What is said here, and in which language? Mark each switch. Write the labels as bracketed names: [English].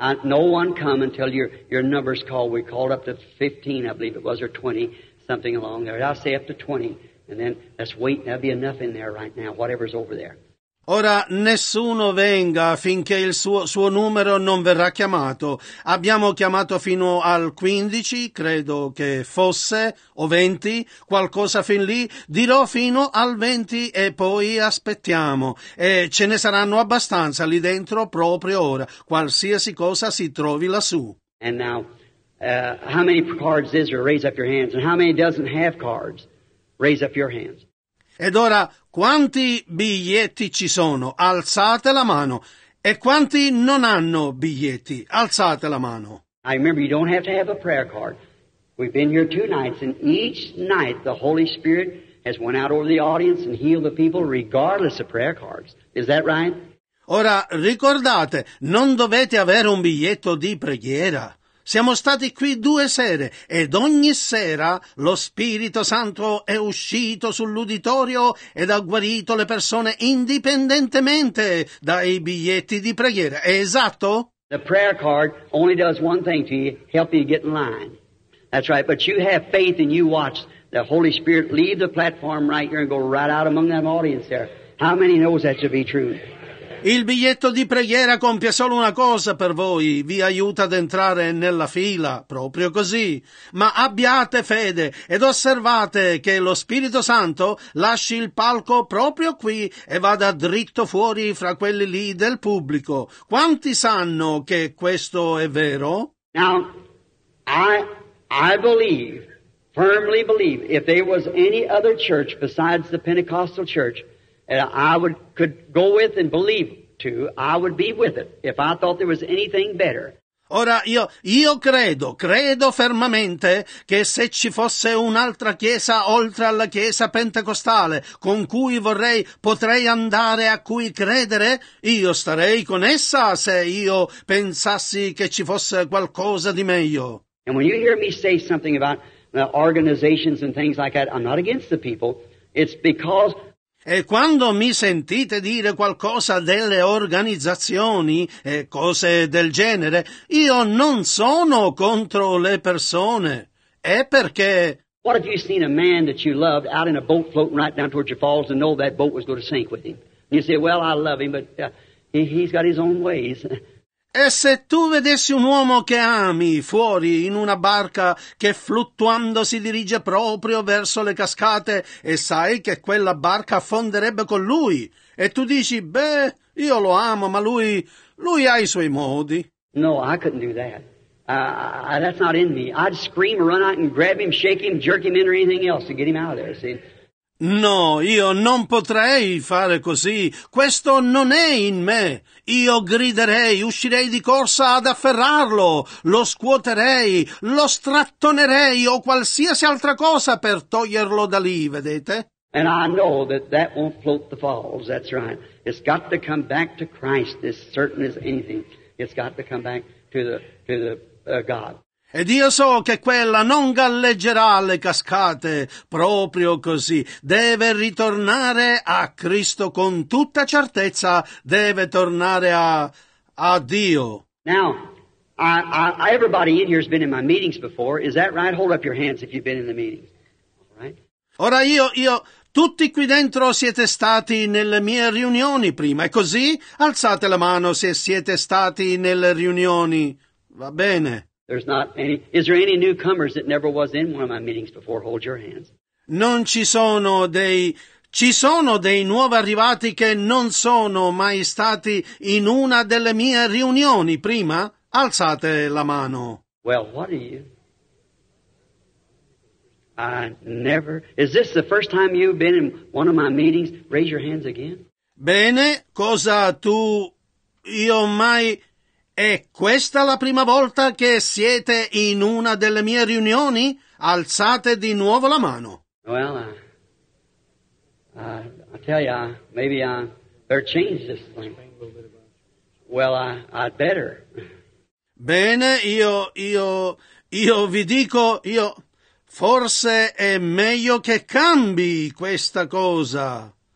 [English] No one come until your numbers call. We called up to 15, I believe it was, or 20, something along there. I'll say up to 20, and then let's wait. That'll be enough in there right now, whatever's over there. [Italian] Ora nessuno venga finché il suo numero non verrà chiamato. Abbiamo chiamato fino al 15, credo che fosse, o 20, qualcosa fin lì. Dirò fino al 20 e poi aspettiamo. E ce ne saranno abbastanza lì dentro proprio ora, qualsiasi cosa si trovi lassù. [English] And now, how many cards is there? Raise up your hands. And how many doesn't have cards? Raise up your hands. [Italian] Ed ora, quanti biglietti ci sono? Alzate la mano. E quanti non hanno biglietti? Alzate la mano. [English] I remember you don't have to have a prayer card. We've been here two nights, and each night the Holy Spirit has went out over the audience and healed the people regardless of prayer cards. Is that right? [Italian] Ora, ricordate, non dovete avere un biglietto di preghiera. Siamo stati qui due sere ed ogni sera lo Spirito Santo è uscito sull'uditorio ed ha guarito le persone indipendentemente dai biglietti di preghiera. È esatto? [English] The prayer card only does one thing to you, help you get in line. That's right, but you have faith and you watch the Holy Spirit leave the platform right here and go right out among that audience there. How many knows that to be true? [Italian] Il biglietto di preghiera compie solo una cosa per voi, vi aiuta ad entrare nella fila, proprio così. Ma abbiate fede ed osservate che lo Spirito Santo lasci il palco proprio qui e vada dritto fuori fra quelli lì del pubblico. Quanti sanno che questo è vero? [English] Now, I believe, firmly believe, if there was any other church besides the Pentecostal church, and I could go with and believe to, I would be with it if I thought there was anything better. [Italian] Ora, io credo fermamente che se ci fosse un'altra chiesa oltre alla chiesa pentecostale con cui potrei andare a cui credere, io starei con essa se io pensassi che ci fosse qualcosa di meglio. [English] And when you hear me say something about the organizations and things like that, I'm not against the people. It's because... [Italian] E quando mi sentite dire qualcosa delle organizzazioni e cose del genere, io non sono contro le persone. È perché... [English] What if you've seen a man that you loved out in a boat floating right down towards your falls and know that boat was going to sink with him? You say, well, I love him, but he's got his own ways. [Italian] E se tu vedessi un uomo che ami fuori in una barca che fluttuando si dirige proprio verso le cascate e sai che quella barca affonderebbe con lui e tu dici, beh, io lo amo, ma lui ha i suoi modi. [English] No, I couldn't do that. That's not in me. I'd scream, run out and grab him, shake him, jerk him in or anything else to get him out of there, see? [Italian] No, io non potrei fare così. Questo non è in me. Io griderei, uscirei di corsa ad afferrarlo, lo scuoterei, lo strattonerei o qualsiasi altra cosa per toglierlo da lì, vedete? [English] And I know that that won't float the falls, that's right. It's got to come back to Christ, as certain as anything. It's got to come back to the God. [Italian] Ed io so che quella non galleggerà le cascate proprio così. Deve ritornare a Cristo con tutta certezza. Deve tornare a Dio. [English] Now, everybody in here has been in my meetings before. Is that right? Hold up your hands if you've been in the meetings. All right? [Italian] Ora io, tutti qui dentro siete stati nelle mie riunioni prima. È così? Alzate la mano se siete stati nelle riunioni. Va bene. [English] There's not any. Is there any newcomers that never was in one of my meetings before? Hold your hands. [Italian] Non ci sono dei. Ci sono dei nuovi arrivati che non sono mai stati in una delle mie riunioni prima? Alzate la mano. [English] Well, what are you? I never. Is this the first time you've been in one of my meetings? Raise your hands again. [Italian] Bene, cosa tu. Io mai. È questa la prima volta che siete in una delle mie riunioni? Alzate di nuovo la mano. [English] Well, I tell you, maybe I better change this thing. Well, I'd better. [Italian] Bene, io vi dico, io forse è meglio che cambi questa cosa.